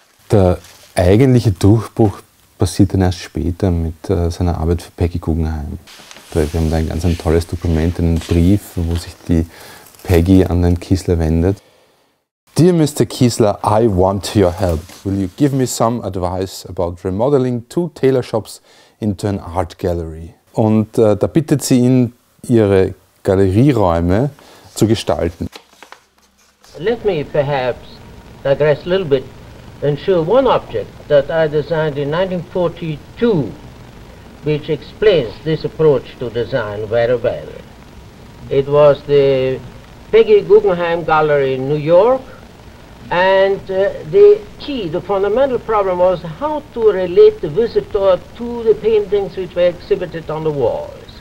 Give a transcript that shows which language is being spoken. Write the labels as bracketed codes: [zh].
[de] Der eigentliche Durchbruch passiert dann erst später mit seiner Arbeit für Peggy Guggenheim. Wir haben da ein ganz ein tolles Dokument, einen Brief, wo sich die Peggy an den Kiesler wendet. [en] Dear Mr. Kiesler, I want your help. Will you give me some advice about remodeling two tailor shops into an art gallery? [de] Und da bittet sie ihn, ihre Galerieräume zu gestalten. [en] Let me perhaps digress a little bit and show one object that I designed in 1942, which explains this approach to design very well. It was the Peggy Guggenheim Gallery in New York, and the fundamental problem was how to relate the visitor to the paintings which were exhibited on the walls.